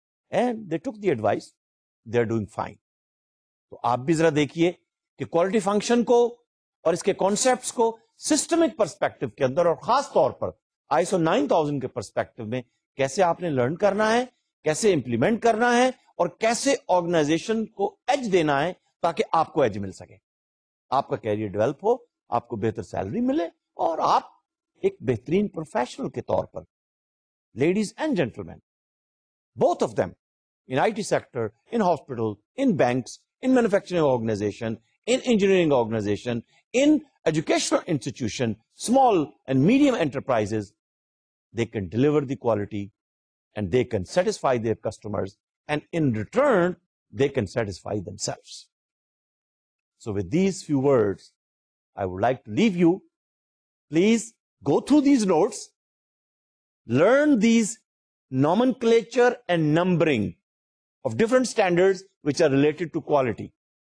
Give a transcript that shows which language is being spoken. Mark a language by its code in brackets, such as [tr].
[en] And they took the advice, they are doing fine. [ur] تو آپ بھی ذرا دیکھیے کہ کوالٹی فنکشن کو اور اس کے کانسیپٹس کو سسٹمک پرسپیکٹو کے اندر اور خاص طور پر ISO 9000 کے پرسپیکٹو میں کیسے آپ نے لرن کرنا ہے, کیسے امپلیمنٹ کرنا ہے, اور کیسے آرگنائزیشن کو ایج دینا ہے تاکہ آپ کو ایج مل سکے, آپ کا کیریئر ڈیولپ ہو, آپ کو بہتر سیلری ملے اور آپ ایک بہترین پروفیشنل کے طور پر, [en] Ladies and gentlemen both of them, in I T sector, in hospital, in banks, in manufacturing organization, in engineering organization, in educational institution, small and medium enterprise, they can deliver the quality and they can satisfy their customers, and in return they can satisfy themselves. So with these few words I would like to leave you. Please go through these notes, learn these nomenclature and numbering of different standards which are related to quality.